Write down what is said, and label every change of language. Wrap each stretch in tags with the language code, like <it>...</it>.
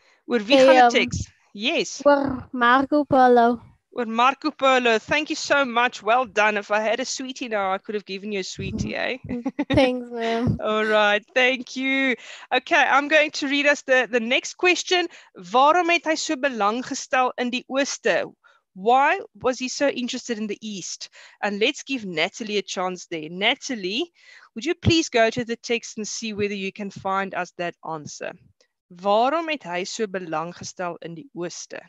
<af>Oor wie gaan die teks? Yes. Oor Marco Polo.</af> <en>Oor Marco Polo. Thank you so much. Well done. If I had a sweetie now, I could have given you a sweetie, eh? Thanks, ma'am. All right. Thank you. Okay, I'm going to read us the next question.</en> <af>Waarom het hy so belang gestel in die ooste?</af> <en>Why was he so interested in the East? And let's give Natalie a chance there. Natalie, would you please go to the text and see whether you can find us that answer?</en> <af>Waarom het hy so belang gestel in die Ooste?</af>